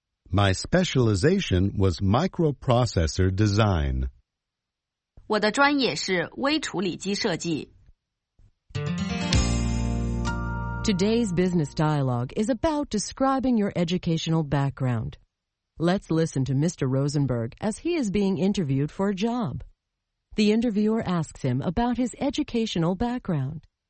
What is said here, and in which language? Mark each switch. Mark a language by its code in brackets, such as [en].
[en] My specialization was microprocessor design. [zh] 我的专业是微处理机设计。 [en] Today's business dialogue is about describing your educational background. Let's listen to Mr. Rosenberg as he is being interviewed for a job. The interviewer asks him about his educational background.